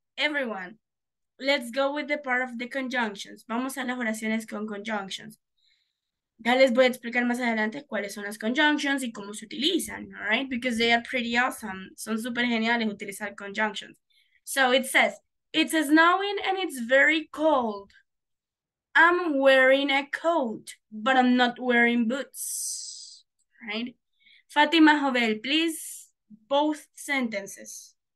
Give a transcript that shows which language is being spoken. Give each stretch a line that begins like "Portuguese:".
English: Everyone, let's go with the part of the conjunctions.
Spanish: Vamos a las oraciones con conjunctions. Ya les voy a explicar más adelante cuáles son las conjunctions y cómo se utilizan, all right?
English: Because they are pretty awesome.
Spanish: Son súper geniales utilizar conjunctions.
English: So it says, it's snowing and it's very cold. I'm wearing a coat, but I'm not wearing boots, right? Fatima Jovel, please, both sentences.